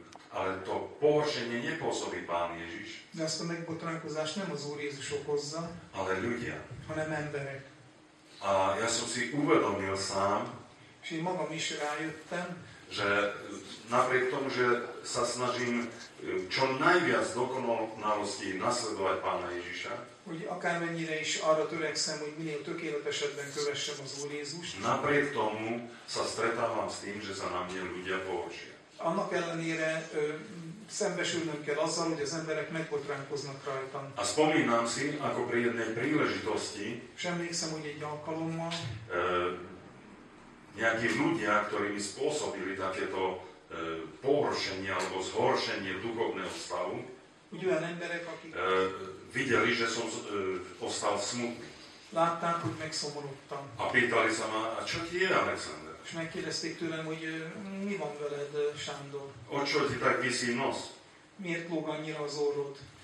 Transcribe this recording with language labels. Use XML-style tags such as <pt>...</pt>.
<sk>ale to pohoršenie nepôsobí Pán Ježiš,</sk> <hu>de azt a megbotránkozást nem az Úr Jézus okozza,</hu> <sk>ale ľudia,</sk> <hu>hanem emberek.</hu> <sk>A ja som si uvedomil sám,</sk> <hu>és én magam is rájöttem,</hu> <sk>že napriek tomu, že sa snažím čo najviac dokonalosti nasledovať Pána Ježiša,</sk> <hu>hogy akármennyire is arra törekszem, hogy minél tökéletesebben kövessem az Úr Jézust,</hu> <sk>napriek tomu sa stretávam s tým, že sa na mne ľudia pohoršia.</sk> <hu>Annak ellenére szembesülnöm kell azzal, hogy az emberek megbotránkoznak rajtam.</hu> <sk>A spomínam si, ako pri jednej príležitosti,</sk> <hu>és emlékszem, hogy egy alkalommal,</hu> <sk>nejakí ľudia, ktorí mi spôsobili takéto pohoršenie alebo zhoršenie duchovného stavu,</sk> <hu>emberek, akik</hu> <sk>videli, že som ostal smutný.</sk> <hu>Látták, hogy megszomorodtam.</hu> <sk>A pýtali sa ma, a čo ti je, Alexander?</sk> <hu>És megkérdezték tőlem, hogy mi van veled, Sándor?</hu> <sk>O čo ti tak viszi nos?</sk> <hu>Miért lóg annyira az orrod?</hu>